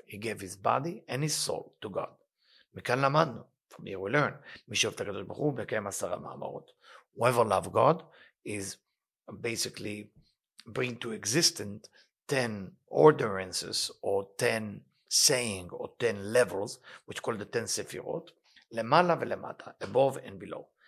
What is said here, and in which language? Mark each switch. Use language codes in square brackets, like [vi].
[en] He gave his body and his soul to God. [he] מכאן למדנו. [en] From here we learn. [he] מי שאוהב את הקדוש ברוך הוא מקיים עשר המאמרות. [en] Whoever love God is basically bring to existence 10 ordinances or 10 saying or 10 levels which called the 10 sefirot [he] למעלה ולמטה, [en] above and below.